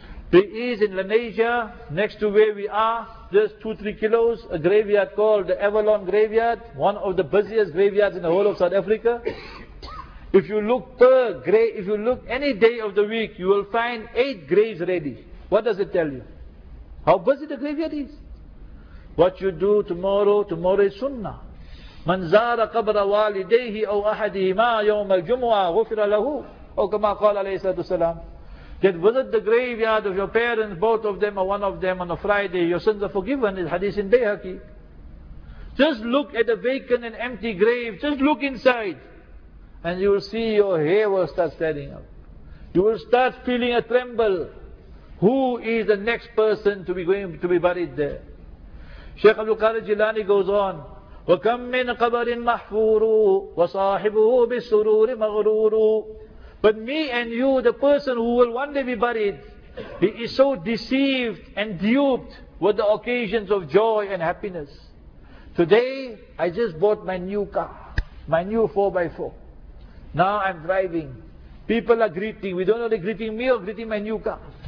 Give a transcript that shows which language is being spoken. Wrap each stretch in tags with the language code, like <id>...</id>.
<en>There is in Lanesia, next to where we are, just 2-3 kilos, a graveyard called the Avalon Graveyard, one of the busiest graveyards in the whole of South Africa. If you look per grave, if you look any day of the week, you will find 8 graves ready. What does it tell you? How busy the graveyard is. What you do tomorrow, tomorrow is sunnah.</en> <ar>من زار قبر والديه أو أحدهما يوم الجمعة غفر له. أو كما قال عليه الصلاة والسلام,</ar> <en>that visit the graveyard of your parents, both of them or one of them, on a Friday, your sins are forgiven. It's hadith in Bayhaqi. Just look at a vacant and empty grave, just look inside and you will see your hair will start standing up. You will start feeling a tremble. Who is the next person to be going to be buried there? Shaykh Abdul Qadir Jilani goes on,</en> <ar>وَكَمْ مِنْ قَبَرٍ مَحْفُورُ وَصَاحِبُهُ بِالسُّرُورِ مَغْرُورُ.</ar> <en>But me and you, the person who will one day be buried, he is so deceived and duped with the occasions of joy and happiness. Today, I just bought my new car, my new 4x4. Now I'm driving. People are greeting. We don't know if they're greeting me or greeting my new car.</en>